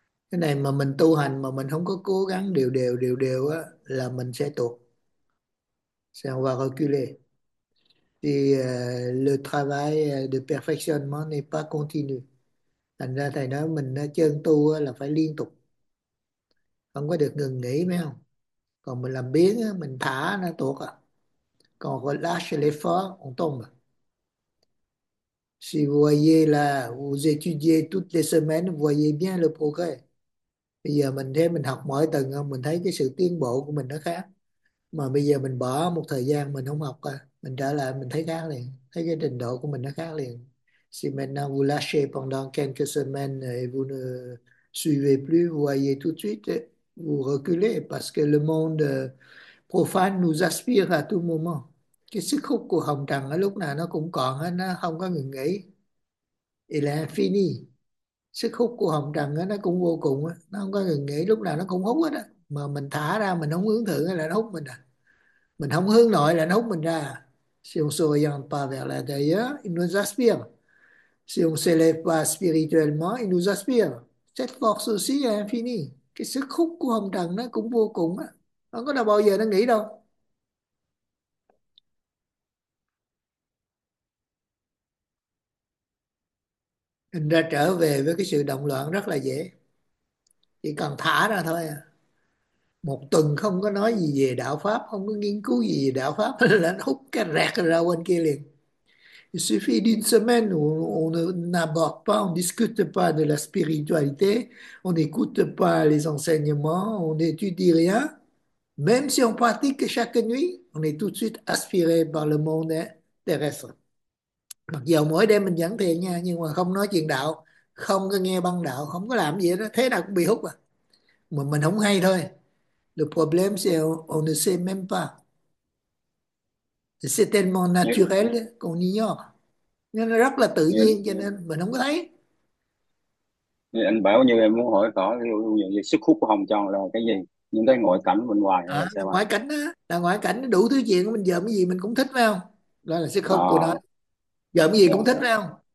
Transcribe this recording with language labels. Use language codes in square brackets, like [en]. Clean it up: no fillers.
[vi] Cái này mà mình tu hành mà mình không có cố gắng đều đều á, là mình sẽ tuột. Sẽ [fr] on va reculer. Thì le travail de perfectionnement n'est pas continu. [vi] Thành ra thầy nói mình chân tu là phải liên tục. Không có được ngừng nghỉ, phải không? Còn mình làm biếng, mình thả nó tuột à. [fr] Còn relâche l'effort, on tombe. Si vous voyez là, vous étudiez toutes les semaines, vous voyez bien le progrès. [vi] Bây giờ mình thấy mình học mỗi tuần, mình thấy cái sự tiến bộ của mình nó khác. Mà bây giờ mình bỏ một thời gian mình không học à. Mình trở lại mình thấy khác liền, thấy cái trình độ của mình nó khác liền. [fr] Si maintenant vous lâchez pendant quelques semaines et vous ne suivez plus, vous voyez tout de suite, vous reculez parce que le monde profane nous aspire à tout moment. [vi] Cái sức hút của hồng trần ở lúc nào nó cũng còn, nó không có ngừng nghỉ. [fr] Il est infini. [vi] Sức hút của hồng trần nó cũng vô cùng, nó không có ngừng nghỉ, lúc nào nó cũng hút hết. Mà mình thả ra mình không hướng thượng là nó hút mình à. Mình không hướng nội là nó hút mình ra. [fr] Si on ne s'oriente pas vers l'intérieur, il nous aspire. Si on ne s'élève pas spirituellement, il nous aspire. Cette force aussi est infinie. [vi] Cái sức hút của hồng trần nó cũng vô cùng á. Không có nào bao giờ nó nghỉ đâu. Thành ra trở về với cái sự động loạn rất là dễ. Chỉ cần thả ra thôi à. Một tuần không có nói gì về đạo Pháp, không có nghiên cứu gì về đạo Pháp, là nó hút cái rẹt ra bên kia liền. [fr] Il suffit d'une semaine où on n'aborde pas, on ne discute pas de la spiritualité, on n'écoute pas les enseignements, on n'étudie rien. Même si on pratique chaque nuit, on est tout de suite aspiré par le monde terrestre. [vi] Mặc dù mỗi đêm mình vẫn thiền nha, nhưng mà không nói chuyện đạo, không có nghe băng đạo, không có làm gì đó, thế nào cũng bị hút à. Mà mình không hay thôi. [fr] Le problème, c'est qu'on ne sait même pas. C'est tellement naturel qu'on ignore. [vi] Nên nó rất là tự nhiên cho nên mình không có thấy. Như anh bảo, như em muốn hỏi rõ cái sức hút của Hồng Trần là cái gì, những cái ngoại cảnh bên ngoài hay là À, sao anh? ngoại cảnh đó, là ngoại cảnh đủ thứ chuyện, mình dòm cái gì mình cũng thích phải không? Đó là sức hút của nó. Dòm cái gì cũng thích phải không?